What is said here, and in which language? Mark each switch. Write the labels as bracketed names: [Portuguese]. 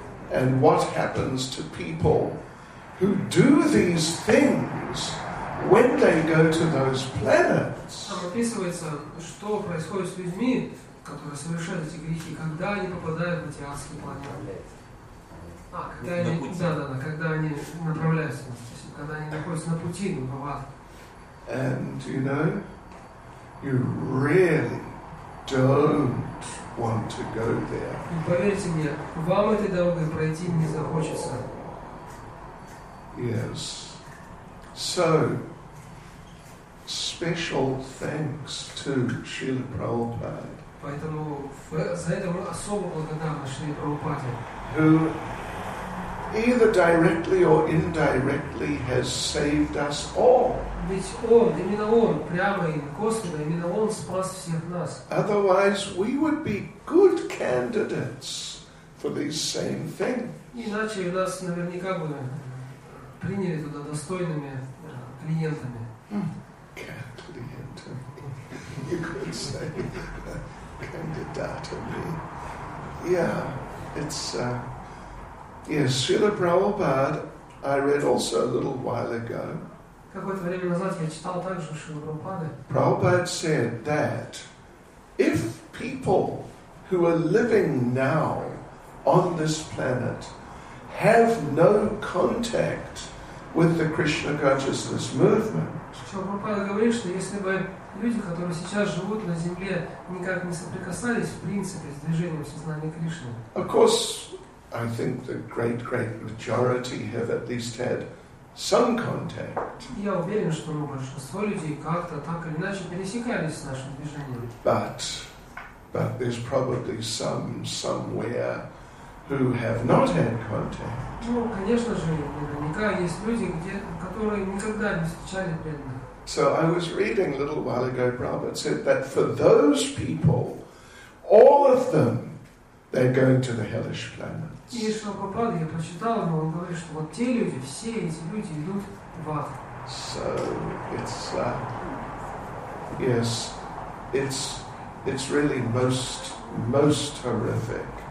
[English] And what happens to people who do these things when they go to those planets? [Russian] Там описывается, что происходит с людьми, которые совершают эти грехи, когда они попадают на эти адские планеты. Когда они направляются, когда они находятся на пути, [English] And you know, you really don't want to go there. [Russian] И поверьте мне, вам этой дорогой пройти не захочется. [English] Yes. So, special thanks to Srila Prabhupada. [Russian] Поэтому за это особо благодарна Шриле Прабхупаде. [English] Who either directly or indirectly has saved us all. [Russian] Ведь он, именно он, прямо и косвенно, именно он спас всех нас. [English] Otherwise, we would be good candidates for these same things. [Russian] Иначе нас наверняка бы приняли туда достойными клиентами. [English] Candidatami, you could say. Candidatami. Yeah, it's... Yes, Srila Prabhupada, I read also a little while ago. [Russian] Какое-то время назад я читал также Шрилу Прабхупаду. [English] Prabhupada said that if people who are living now on this planet have no contact with the Krishna consciousness movement. [Russian] Шрила Прабхупада говорит, что если бы люди, которые сейчас живут на Земле, никак не соприкасались в принципе с движением сознания Кришны. [English] Of course, I think the great majority have at least had some contact. [Russian] Я уверен, что большинство людей как-то так или иначе пересекались с нашим движением. [English] But there's probably some somewhere who have not had contact. [Russian] Ну, конечно же, наверняка есть люди, которые никогда не встречали преданных. [English] So I was reading a little while ago, Prabhupada said that for those people, all of them, they're going to the hellish planet. [Russian] И Шрила Прабхупада, я прочитал его, он говорит, что вот те люди, все эти люди идут в ад. [English] So, it's, Yes, it's really most horrific.